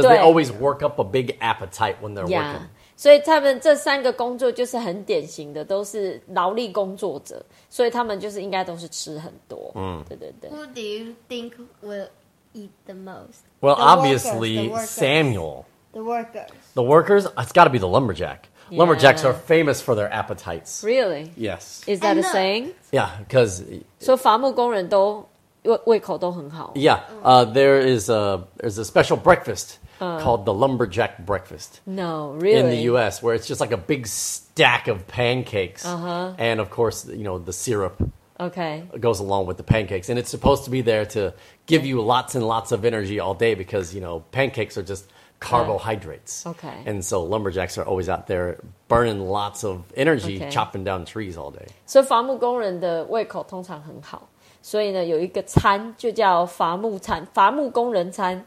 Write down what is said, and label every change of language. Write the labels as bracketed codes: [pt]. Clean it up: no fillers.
[en] because they always work up a big appetite when they're、 yeah. working. [zh] 所以他们这三个工作就是很典型的，都是劳力工作者，所以他们就是应该都是吃很多。嗯，对对对。 [en] Who do you think will eat the most? Well, obviously Samuel. The workers. The workers? It's got to be the lumberjack. Yeah. Lumberjacks are famous for their appetites. Really? Yes. Is that a saying? Yeah, because. [zh] 所以伐木工人都胃口都很好。 [en] Yeah, there's a special breakfast. Called the lumberjack breakfast. No, really? In the U.S., where it's just like a big stack of pancakes. And, of course, you know, the syrup goes along with the pancakes. And it's supposed to be there to give you lots and lots of energy all day because, you know, pancakes are just carbohydrates. Okay. And so lumberjacks are always out there burning lots of energy, chopping down trees all day. [zh] So, 伐木工人的胃口通常很好。所以呢，有一个餐就叫伐木餐，伐木工人餐。